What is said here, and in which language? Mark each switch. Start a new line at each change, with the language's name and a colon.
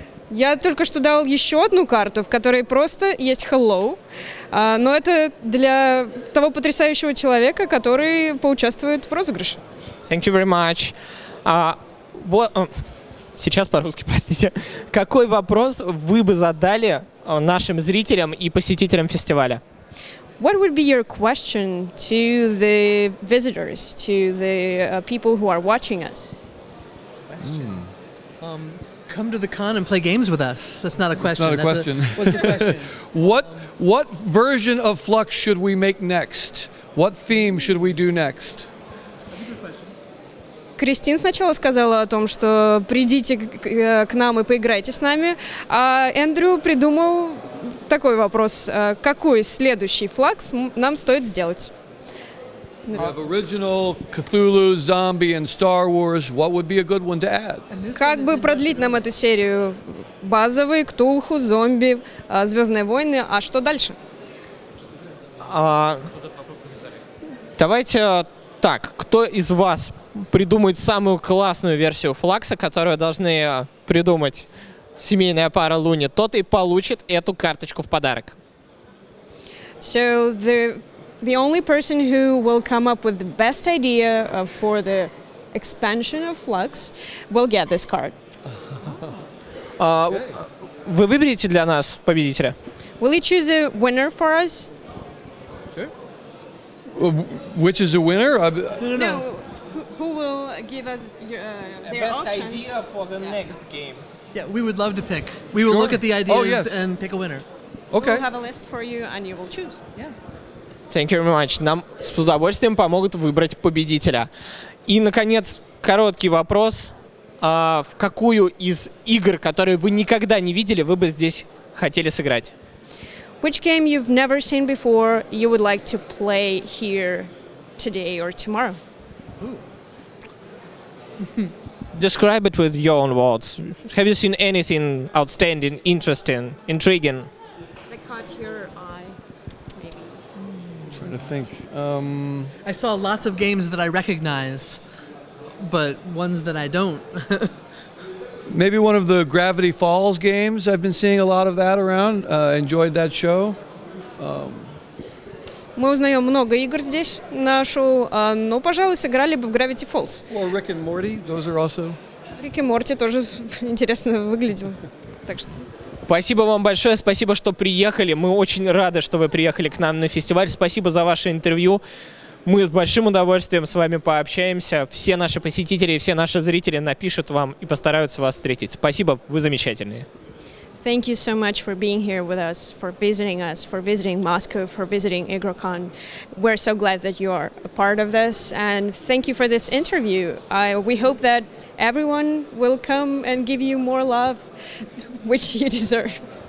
Russian: Я только что дал еще одну карту, в которой просто есть hello. Но это для того потрясающего человека, который поучаствует в розыгрыше.
English: Thank you very much.
Russian: Сейчас по-русски, простите. Какой вопрос вы бы задали нашим зрителям и посетителям фестиваля?
English: What would be your question to the visitors, to the people who are watching us? Question. Mm. Come to the con and play games with us. That's not a question. That's not a question. What's the question? What version of Flux should we make next? What theme should we do next?
Russian: Кристин сначала сказала о том, что придите к нам и поиграйте с нами. А Эндрю придумал такой вопрос. Какой следующий Flux нам стоит сделать?
English: Original Cthulhu, Zombie and Star Wars.
Russian: What would be a good one to add? Как бы продлить нам эту серию? Базовый, Ктулху, Зомби, Звездные войны. А что дальше? Давайте так. Кто из вас придумает самую классную версию Флакса, которую должны придумать семейная пара Луни, тот и получит эту карточку в подарок.
English: So the only person who will come up with the best idea for the expansion of Flux will get this card.
Russian: Вы выберете для нас победителя?
English: Will you choose a winner for us? Sure. Which is a winner? No. Who will give us their best options? Best idea for the next game. Yeah, we would love to pick. We will look at the ideas and pick a winner. Okay. We'll have a list for you and you will choose. Yeah. Thank you very much.
Russian: Нам с удовольствием помогут выбрать победителя. И, наконец, короткий вопрос. В какую из игр, которые вы никогда не видели, вы бы здесь хотели сыграть?
English: Which game you've never seen before you would like to play here today or tomorrow? Describe it with your own words. Have you seen anything outstanding, interesting, intriguing? That caught your eye, maybe. I'm trying to think. I saw lots of games that I recognize, but ones that I don't. Maybe one of the Gravity Falls games. I've been seeing a lot of that around. Enjoyed that show.
Russian: Мы узнаем много игр здесь, на шоу, но, пожалуй, сыграли бы в Gravity Falls.
English: Or Rick and Morty, those are also...
Russian: Rick and Morty тоже интересно выглядел. Так что... Спасибо вам большое, спасибо, что приехали. Мы очень рады, что вы приехали к нам на фестиваль. Спасибо за ваше интервью. Мы с большим удовольствием с вами пообщаемся. Все наши посетители и все наши зрители напишут вам и постараются вас встретить. Спасибо, вы замечательные.
English: Thank you so much for being here with us, for visiting Moscow, for visiting AgroCon. We're so glad that you are a part of this, and thank you for this interview. We hope that everyone will come and give you more love, which you deserve.